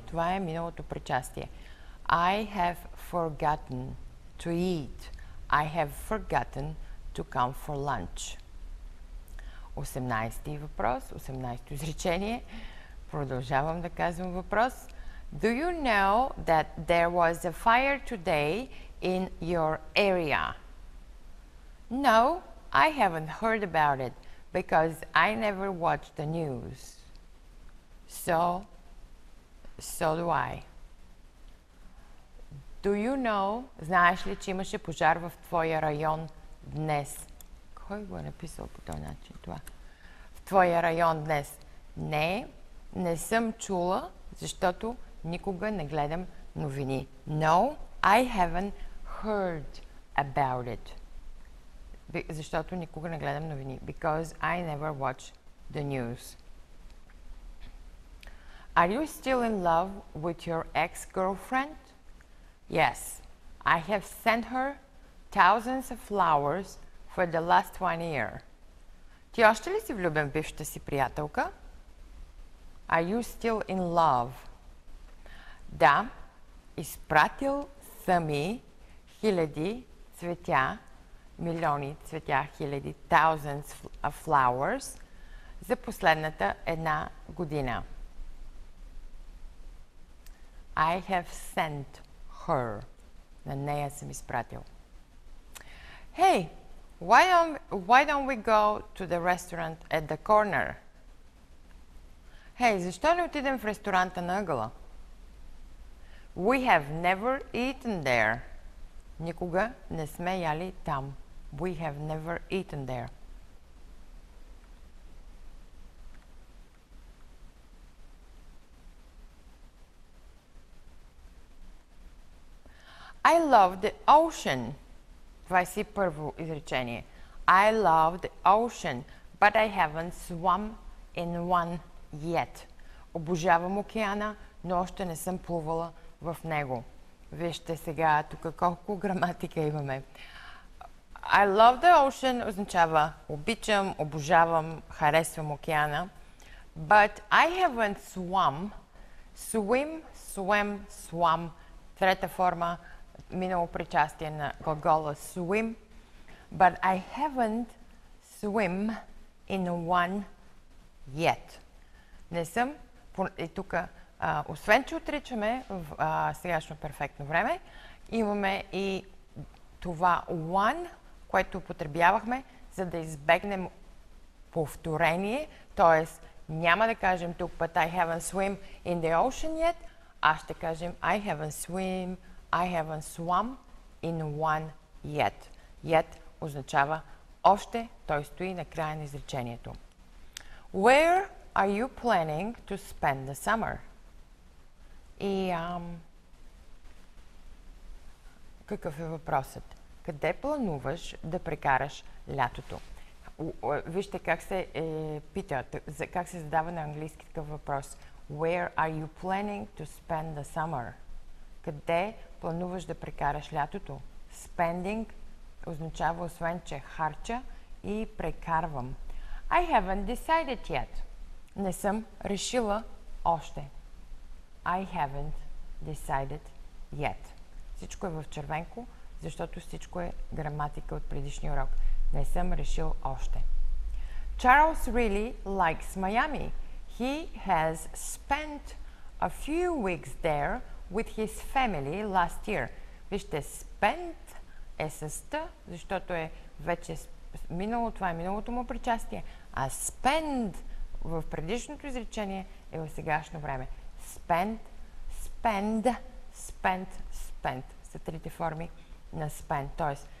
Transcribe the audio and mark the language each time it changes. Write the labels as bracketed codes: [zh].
[bg] Това е миналото причастие. [en] I have forgotten to eat. I have forgotten to come for lunch. [bg] 18-ти въпрос, 18-то изречение. Продължавам да казвам въпрос. [en] Do you know that there was a fire today in your area? No, I haven't heard about it because I never watch the news. So do I. Do you know, [bg] знаеш ли, че имаше пожар в твоя район днес? Кой го е написал по този начин това? В твоя район днес. Не, не съм чула, защото никога не гледам новини. [en] No, I haven't heard about it. [bg] Защото никога не гледам новини. [en] Because I never watch the news. Are you still in love with your ex-girlfriend? Yes, I have sent her thousands of flowers for the last one year. [bg] Ти още ли си влюбен в бившата си приятелка? [en] Are you still in love? [bg] Да, изпратил сами хиляди цветя, милиони цветя, хиляди, [en] thousands of flowers [bg] за последната една година. [en] I have sent her. [bg] На нея съм изпратил. [en] Hey, why don't we go to the restaurant at the corner? [bg] Hey, защо не отидем в ресторанта на ъгъла? [en] We have never eaten there. [bg] Никога не сме яли там. [en] We have never eaten there. I love the ocean. [bg] 21-во изречение. [en] I love the ocean, but I haven't swum in one yet. [bg] Обожавам океана, но още не съм плувала в него. Вижте сега тук колко граматика имаме. [en] I love the ocean [bg] означава обичам, обожавам, харесвам океана. [en] But I haven't swum. Swim. [bg] Трета форма. Минало причастие на глагола [en] swim, but I haven't swim in one yet. [bg] Не съм. И тук, освен че отричаме в сегашно перфектно време, имаме и това one, което употребявахме, за да избегнем повторение, т.е. няма да кажем тук, [en] but I haven't swim in the ocean yet, [bg] а ще кажем [en] I haven't swim, I haven't swum in one yet. [bg] Yet означава още, той стои на края на изречението. [en] Where are you planning to spend the summer? [bg] И какъв е въпросът? Къде плануваш да прекараш лятото? Вижте как се пита, как се задава на английски такъв въпрос. [en] Where are you planning to spend the summer? [bg] Къде плануваш да прекараш лятото? Spending означава освен, че харча и прекарвам. [en] I haven't decided yet. [bg] Не съм решила още. [en] I haven't decided yet. [bg] Всичко е в червенко, защото всичко е граматика от предишния урок. Не съм решил още. [en] Charles really likes Miami. He has spent a few weeks there with his family last year. [bg] Вижте, spent е с т, защото е вече минало, това е миналото му причастие. А spend в предишното изречение е в сегашно време. [en] Spent, spend, spent, spent. [bg] Са трите форми на spent, т.е.